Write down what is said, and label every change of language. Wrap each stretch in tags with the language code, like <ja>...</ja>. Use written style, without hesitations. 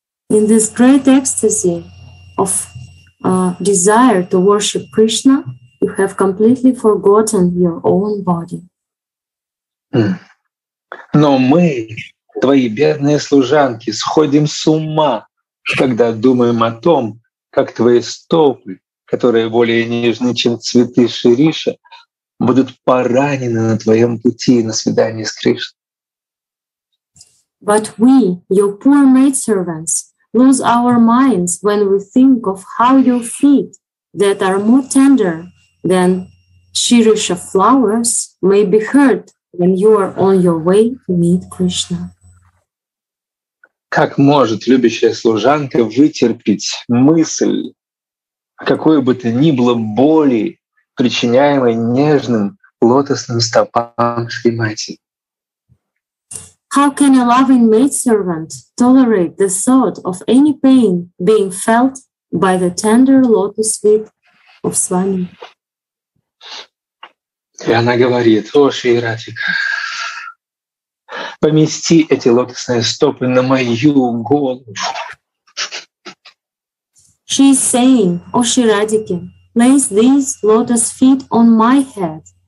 <en>In this great ecstasy of desire to worship Krishna, you have completely forgotten your own body.</en> <ru>Но мы, твои бедные служанки, сходим с ума, когда думаем о том, как твои стопы, которые более нежны, чем цветы Шириша, будут поранены на твоем пути на свидание с Кришной.</ru> <en>But we, your poor maidservants, lose our minds when we think of how your feet, that are more tender than Shirisha flowers, may be hurt when you are on your way to meet Krishna.</en> <ru>Как может любящая служанка вытерпеть мысль, какой бы то ни было боли, причиняемой нежным лотосным стопам Шри Мати?</ru> <en>How can a loving maidservant tolerate the thought of any pain being felt by the tender lotus feet of Swami?</en> <ru>И она говорит, о, Шри Радхика, помести эти лотосные стопы на мою голову.</ru> <en>She is saying, о, Шри Радхика, place these lotus feet on my head.</en>